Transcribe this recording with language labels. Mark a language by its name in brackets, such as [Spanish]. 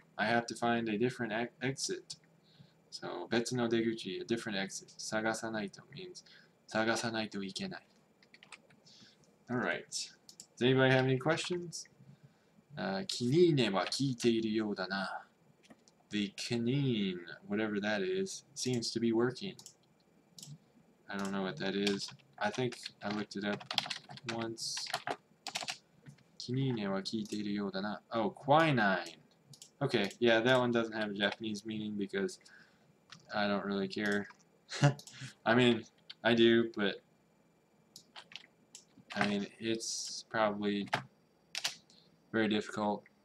[English] I have to find a different exit. So 別の出口, a different exit. 探さないと means 探さないといけない.Alright. Does anybody have any questions? [Japanese] キニーネは効いているようだな. [English] The kinine, whatever that is, seems to be working. I don't know what that is. I think I looked it up once. [Japanese] キニーネは効いているようだな. [English] Oh, quinine. Okay, yeah, that one doesn't have a Japanese meaning because I don't really care. I mean, I do, but I mean, it's probably very difficult.